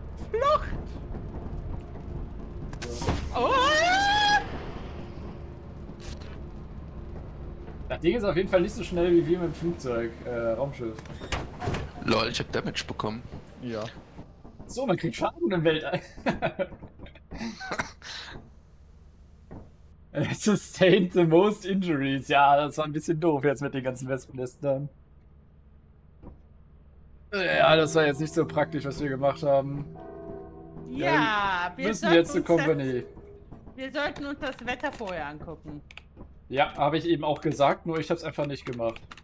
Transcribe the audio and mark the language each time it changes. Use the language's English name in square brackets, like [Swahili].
[German] Flucht! Oh! Das Ding ist auf jeden Fall nicht so schnell wie wir mit dem Flugzeug, Raumschiff. Lol, ich hab Damage bekommen. Ja. So, man kriegt Schaden im Weltall. [English] Sustained the most injuries. [German] Ja, das war ein bisschen doof jetzt mit den ganzen Wespennestern. Ja, das war jetzt nicht so praktisch, was wir gemacht haben. Ja, wir müssen jetzt zur Company. Wir sollten uns das Wetter vorher angucken. Ja, habe ich eben auch gesagt, nur ich habe es einfach nicht gemacht.